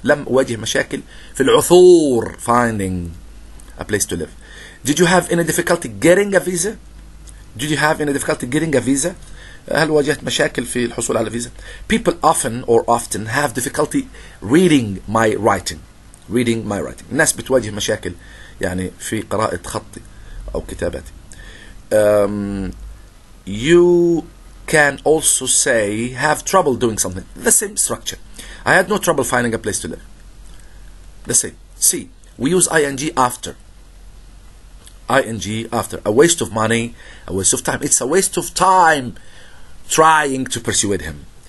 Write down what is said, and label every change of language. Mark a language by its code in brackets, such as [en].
[ar] لم أواجه مشاكل في العثور [en] finding a place to live. Did you have any difficulty getting a visa? Did you have any difficulty getting a visa? [ar] هل واجهت مشاكل في الحصول على فيزا؟ [en] People often or often have difficulty reading my writing. Reading my writing. [ar] الناس بتواجه مشاكل يعني في قراءة خطي أو كتاباتي. [en] You can also say have trouble doing something. The same structure. I had no trouble finding a place to live. The same. See, we use ing after. Ing after. A waste of money, a waste of time. It's a waste of time trying to persuade him.